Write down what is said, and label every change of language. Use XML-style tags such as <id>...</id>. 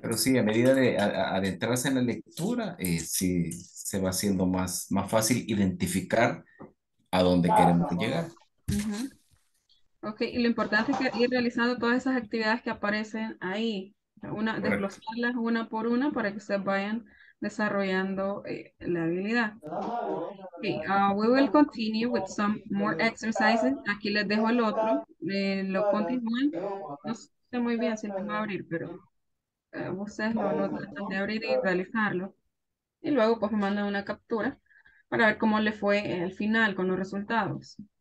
<es>Pero sí, a medida de adentrarse en la lectura, sí, se va haciendo más fácil identificar a dónde queremos llegar. Ok, y lo importante es que ir realizando todas esas actividades que aparecen ahí, desglosarlas una por una para que ustedes vayan desarrollando la habilidad.</es> <en>Ok, we will continue with some more exercises.</en> <es>Aquí les dejo el otro. Lo continúan. Muy bien, si lo va a abrir, pero ustedes lo tratan de abrir y realizarlo. Y luego, pues, me mandan una captura para ver cómo le fue al final con los resultados.</es>